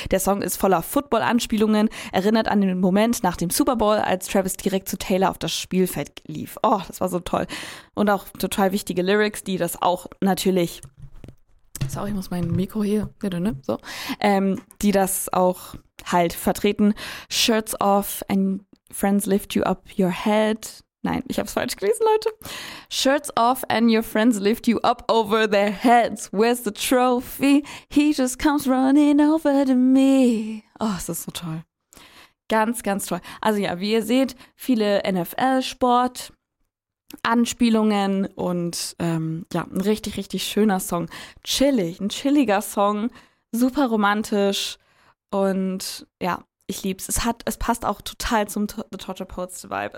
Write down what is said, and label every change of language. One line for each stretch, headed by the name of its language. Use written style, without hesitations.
German: Der Song ist voller Football-Anspielungen, erinnert an den Moment nach dem Super Bowl, als Travis direkt zu Taylor auf das Spielfeld lief. Oh, das war so toll. Und auch total wichtige Lyrics, die das auch natürlich... Sorry, ich muss mein Mikro hier... So. Die das auch halt vertreten.
English: Shirts off and friends lift you up your head.
German: Nein, ich hab's falsch gelesen, Leute.
English: Shirts off and your friends lift you up over their heads. Where's the trophy? He just comes running over to me.
German: Oh, es ist so toll. Ganz, ganz toll. Also ja, wie ihr seht, viele NFL-Sport-Anspielungen und ja, ein richtig, richtig schöner Song. Chillig, ein chilliger Song. Super romantisch. Und ja. Ich lieb's. Es passt auch total zum The Torture Poets Vibe.